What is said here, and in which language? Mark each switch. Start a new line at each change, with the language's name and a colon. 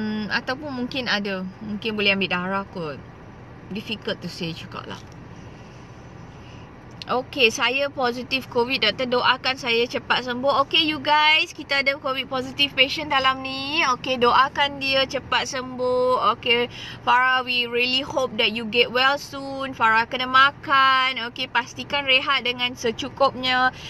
Malay: Ataupun mungkin ada, mungkin boleh ambil darah kot.
English: Difficult to say
Malay: juga lah. Okay, saya positif COVID. Doktor doakan saya cepat sembuh.
English: Okay, you guys,
Malay: kita ada COVID positive patient dalam ni. Okay, doakan dia cepat sembuh.
English: Okay, Farah, we really hope that you get well soon.
Malay: Farah kena makan. Okay, pastikan rehat dengan secukupnya.